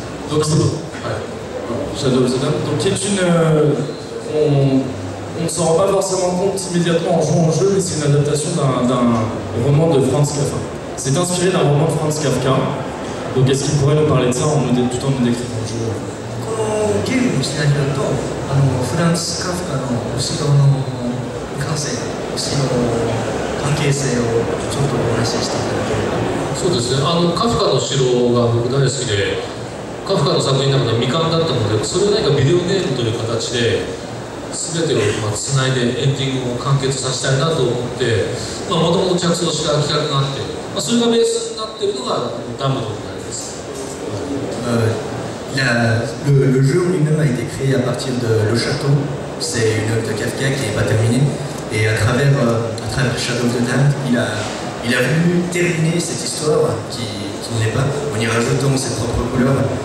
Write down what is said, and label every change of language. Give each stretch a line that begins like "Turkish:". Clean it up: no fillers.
French: Donc, c'est bon. Shadows of the Damned. Donc, qui est une. On ne s'en rend pas forcément compte immédiatement en jouant au jeu, mais c'est une adaptation d'un roman de Franz Kafka. C'est inspiré d'un roman de Franz Kafka. Donc est-ce qu'il pourrait nous parler de ça tout en nous décrivant le jeu ?
Japanese: このゲームをしてあげると、あのフランス・カフカの後ろの感性、後ろの関係性をちょっとお話ししていただければ。そうですね。あのカフカの城が僕大好きで、カフカの作品の中で未完だったので、それを何かビデオゲームという形で。全てを繋いでエンディングを完結させたいなと思って、もともと着想した企画があって、それがベースになっているのがダムドになります。
French: Le jeu lui-même a été créé à partir de Le Château. C'est une œuvre de Kafka qui n'est pas terminée. Et à travers Shadow of the Damned, il a voulu terminer cette histoire qui n'est pas en y rajoutant ses propres couleurs.